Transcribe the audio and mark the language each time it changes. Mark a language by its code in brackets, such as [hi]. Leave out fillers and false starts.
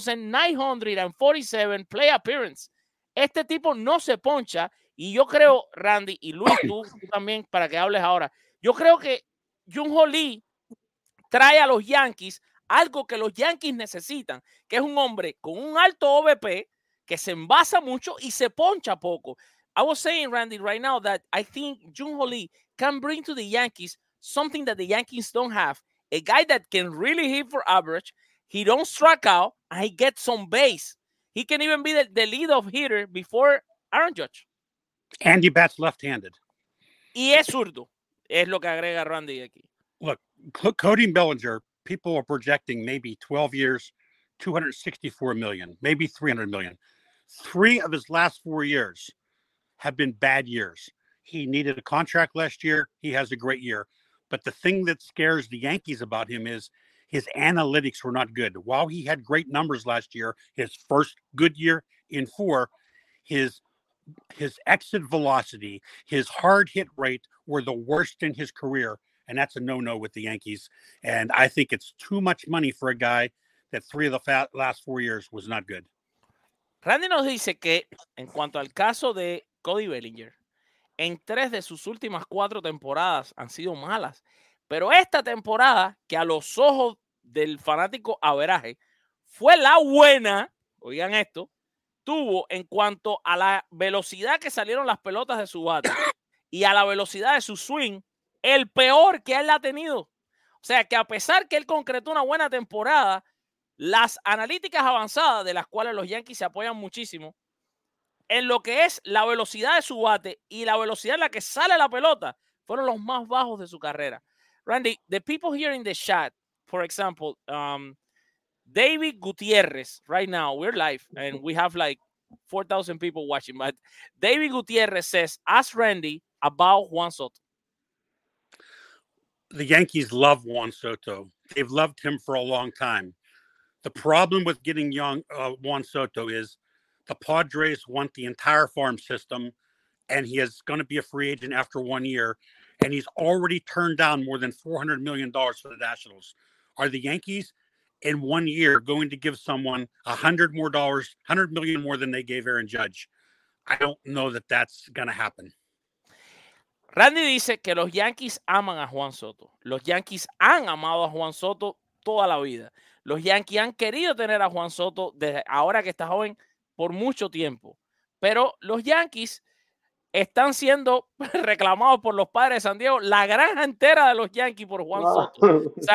[es] 3,947 [en] play appearance. [es] Este tipo no se poncha. Y yo creo, Randy, y Luis, tú también, para que hables ahora. Yo creo que Jung-Hoo Lee trae a los Yankees algo que los Yankees necesitan, que es un hombre con un alto OBP, que se envasa mucho y se poncha poco. [en] I was saying, Randy, right now, that I think Jung-Hoo Lee can bring to the Yankees something that the Yankees don't have. A guy that can really hit for average. He don't strike out, and he gets some base. He can even be the leadoff hitter before Aaron Judge. And he bats left-handed. [es] Y es zurdo, es lo que agrega Randy aquí. [en] Look, Cody Bellinger, people are projecting maybe 12 years, $264 million, maybe $300 million. 3 of his last 4 years have been bad years. He needed a contract last year. He has a great year. But the thing that scares the Yankees about him is his analytics were not good. While he had great numbers last year, his first good year in 4, his exit velocity, his hard hit rate were the worst in his career. And that's a no-no with the Yankees. And I think it's too much money for a guy that 3 of the last 4 years was not good. [es] Randy nos dice que, en cuanto al caso de Cody Bellinger, en 3 de sus últimas 4 temporadas han sido malas. Pero esta temporada, que a los ojos del fanático averaje, fue la buena, oigan esto, tuvo en cuanto a la velocidad que salieron las pelotas de su bate y a la velocidad de su swing, el peor que él ha tenido. O sea, que a pesar que él concretó una buena temporada, las analíticas avanzadas de las cuales los Yankees se apoyan muchísimo en lo que es la velocidad de su bate y la velocidad en la que sale la pelota fueron los más bajos de su carrera. [en] Randy, the people here in the chat, for example, David Gutierrez, right now, we're live, and we have like 4,000 people watching, but David Gutierrez says, ask Randy about Juan Soto. The Yankees love Juan Soto. They've loved him for a long time. The problem with getting young Juan Soto is the Padres want the entire farm system, and he is going to be a free agent after 1 year, and he's already turned down more than $400 million for the Nationals. Are the Yankees in 1 year going to give someone $100 million more than they gave Aaron Judge? I don't know that that's going to happen. [es] Randy dice que los Yankees aman a Juan Soto. Los Yankees han amado a Juan Soto toda la vida. Los Yankees han querido tener a Juan Soto desde ahora que está joven por mucho tiempo. Pero los Yankees están siendo reclamados por los Padres de San Diego, la granja entera de los Yankees por Juan Soto.